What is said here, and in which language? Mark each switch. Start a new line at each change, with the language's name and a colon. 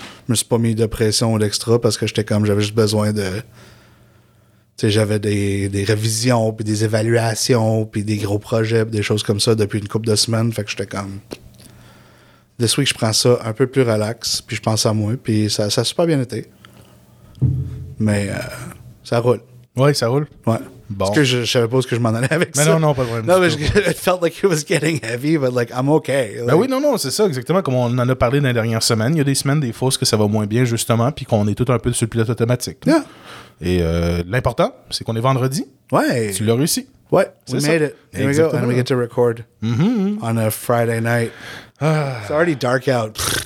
French: Je me suis pas mis de pression ou d'extra parce que j'étais comme, j'avais juste besoin de... Tu sais, j'avais des révisions puis des évaluations puis des gros projets puis des choses comme ça depuis une couple de semaines. Fait que j'étais comme...
English: This week,
French: je prends ça un peu plus relax puis je pense à moi puis ça a super bien été. Mais ça roule. Oui, ça roule. Ouais. Bon. Parce que je savais pas ce que je m'en allais avec mais ça. Mais non, pas de problème. Non, mais
English: it felt like it was getting heavy, but like, I'm okay. Like,
French: ben oui, non, c'est ça, exactement. Comme on en a parlé dans les dernières semaines, il y a des semaines, des fois, que ça va moins bien, justement, puis qu'on est tout un peu sur le pilote automatique.
English: Yeah.
French: Et l'important, c'est qu'on est vendredi. Ouais. Tu l'as réussi. Ouais, c'est
English: we ça. Made it. Here
French: exactement.
English: We go, and we get to record on a Friday night. It's already dark out.